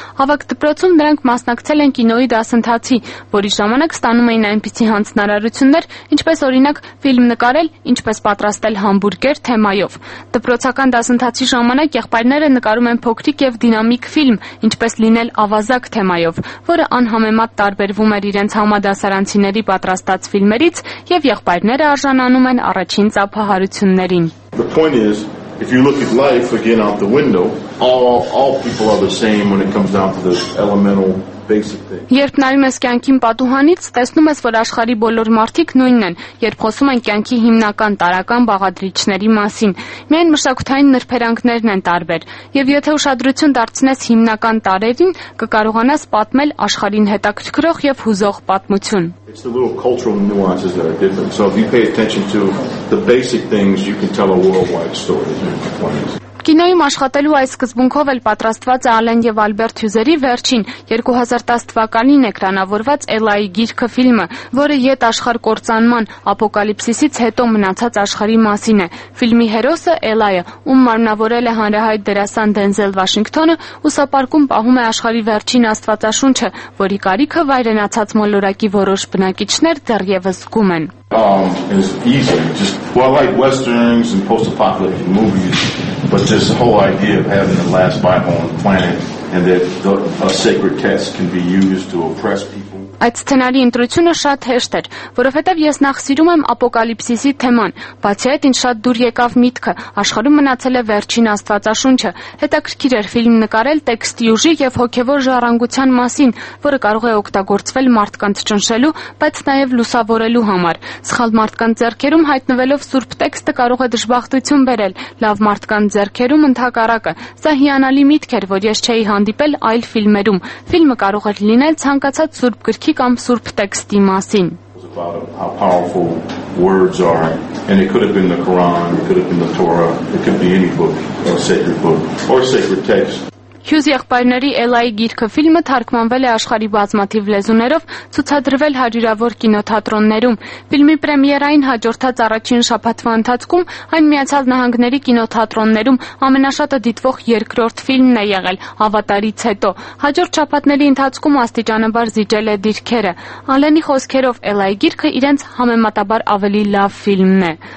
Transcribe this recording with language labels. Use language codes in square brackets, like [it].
[hy] Հավաք դպրոցում նրանք մասնակցել են կինոյի դասընթացի, որի ժամանակ ստանում էին այնպիսի հանձնարարություններ, ինչպես օրինակ ֆիլմ նկարել, ինչպես պատրաստել համբուրգեր թեմայով։ Դպրոցական դասընթացի ժամանակ եղբայրները նկարում են փոքրիկ և դինամիկ ֆիլմ, ինչպես լինել ավազակ թեմայով, որը անհամեմատ տարբերվում էր իրենց համադասարանցիների պատրաստած ֆիլմերից, և եղբայրները արժանանում են առաջին ծափահարություններին։ [en] The point is, if you look at life again out the window, all people are the same when it comes down to the elemental [hy] Երբ նայում ես կյանքին պատուհանից, տեսնում ես, որ աշխարհի բոլոր մարդիկ նույնն են, երբ խոսում են կյանքի հիմնական տարական բաղադրիչների մասին։ Միայն մշակութային նրբերանգներն են տարբեր, եւ եթե ուշադրություն դարձնես հիմնական տարերին, կկարողանաս պատմել աշխարհին հետաքրքրող եւ հուզող պատմություն։ [en] It's the little cultural nuances that are different. So if you pay attention to the basic things, you can tell a worldwide story. [hy] Կինոյում աշխատելու այս սկզբունքով էլ պատրաստված է Ալեն և Ալբերտ Հյուզերի վերջին 2010 թվականին էկրանավորված Էլայի գիրքը ֆիլմը, որը յետ աշխարհ կործանման ապոկալիպսիսից հետո մնացած աշխարհի մասին է։ Ֆիլմի հերոսը Էլայը, ում մարմնավորել է հանրահայտ դերասան Դենզել Վաշինգթոնը, ուսապարկում պահում է աշխարհի վերջին աստվածաշունչը, որի կարիքը վայրենացած մոլորակի որոշ բնակիչներ դեռևս զգում են։ [en] It's easy. Just well, I like westerns and post-apocalyptic movies, but this whole idea of having the last Bible on the planet and that a sacred text can be used to oppress people. [hy] Այդ սցենարի ընտրությունը շատ հեշտ էր, որովհետև ես նախ սիրում եմ ապոկալիպսիսի թեման, բացի այդ ինձ շատ դուր եկավ միտքը, աշխարհում մնացել է վերջին աստվածաշունչը, հետաքրքիր էր ֆիլմ նկարել տեքստի ուժի եւ հոգեվոր ժառանգության մասին, որը կարող է օգտագործվել մարդկանց ճնշելու, բայց նաեւ լուսավորելու համար։ Սխալ մարդկանց ձեռքերում հայտնվելով սուրբ տեքստը կարող է դժբախտություն բերել, լավ մարդկանց ձեռքերում ընդհակառակը։ Սա հիանալի միտք էր, որ ես չէի հանդիպել այլ ֆիլմերում։ Ֆիլմը կարող էր լինել ցանկացած սուրբ քի կամ սուրբ տեքստի մասին [en] how powerful words are and it could have been the Quran it could have been the Torah it could be any book or sacred text [hy] Հյուզ եղբայրների Էլայի գիրքը ֆիլմը թարգմանվել է աշխարհի բազմաթիվ լեզուներով, ցուցադրվել հարյուրավոր կինոթատրոններում։ Ֆիլմի պրեմիերային հաջորդած առաջին շաբաթվա ընթացքում այն Միացյալ Նահանգների կինոթատրոններում ամենաշատը դիտվող երկրորդ ֆիլմն է եղել Ավատարից հետո։ Հաջորդ շաբաթների ընթացքում աստիճանաբար զիջել է դիրքերը։ Ալենի խոսքերով Էլայի գիրքը իրենց համեմատաբար ավելի լավ ֆիլմն է։